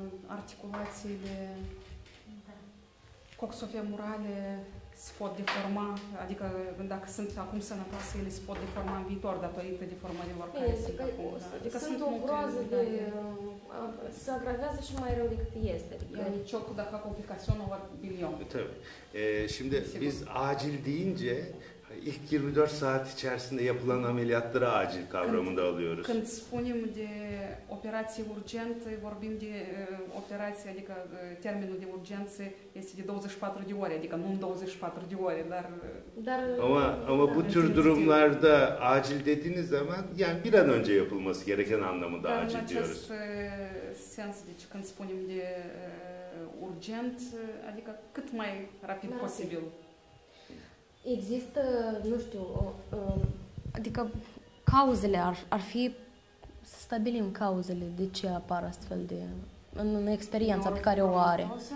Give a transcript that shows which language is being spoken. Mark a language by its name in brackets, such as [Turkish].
[Romanian] Articulațiile coxofemurale se pot deforma, adică dacă sunt acum sănătoase, ele se pot deforma în viitor datorită deformărilor care sunt acum. Adică sunt o groază de... se agravează și mai rău decât este. [Turkish] Yani çok daha komplikasyon var biliyorum. Tabii. Şimdi biz acil deyince ilk 24 saat içerisinde yapılan ameliyatları acil kavramında alıyoruz. [Romanian] Când spunem de operație urgentă, vorbim de operație, adică termenul de urgență este de 24 de ore, adică nu 24 de ore, dar [Turkish] ama bu tür durumlarda acil dediğiniz zaman yani bir an önce yapılması gereken anlamında acil diyoruz. [Romanian] Acest sens, deci când spunem de urgent, adică cât mai rapid posibil. Există, nu știu, adică cauzele ar fi, să stabilim cauzele de ce apar astfel de, în experiența pe care o are.